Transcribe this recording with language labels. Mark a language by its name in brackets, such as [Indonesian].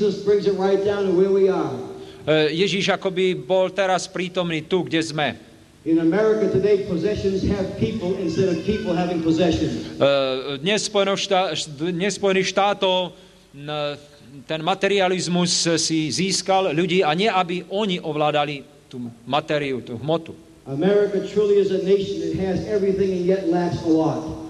[Slovak] Ježíš akoby bol teraz prítomný tu, kde sme. [English] In America today, possessions have people instead of people having possessions. [Slovak] Dnes Spojených štátov ten materializmus si získal ľudí a nie aby oni ovládali tú materiu, tú hmotu. [English] America truly is a nation that has everything and yet lacks a lot.